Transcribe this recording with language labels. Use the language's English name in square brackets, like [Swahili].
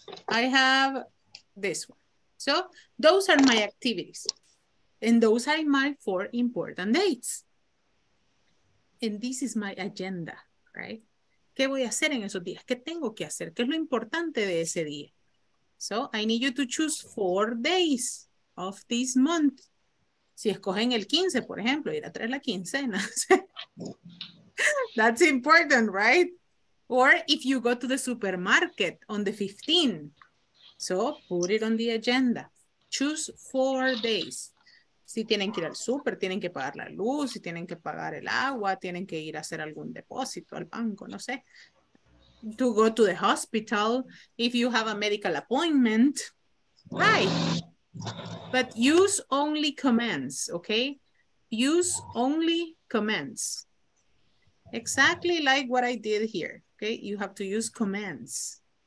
[English] I have this one. So those are my activities and those are my four important dates. And this is my agenda, right? [Spanish] ¿Qué voy a hacer en esos días? ¿Qué tengo que hacer? ¿Qué es lo importante de ese día? [English] So, I need you to choose 4 days of this month. [Spanish] Si escogen el 15, por ejemplo, ir a traer la quincena. [English] That's important, right? Or if you go to the supermarket on the 15th. So, put it on the agenda. Choose 4 days. [Spanish] Si tienen que ir al súper, tienen que pagar la luz, si tienen que pagar el agua, tienen que ir a hacer algún depósito al banco, no sé. [English] To go to the hospital, if you have a medical appointment, right. But use only commands, okay? Use only commands. Exactly like what I did here, okay? You have to use commands.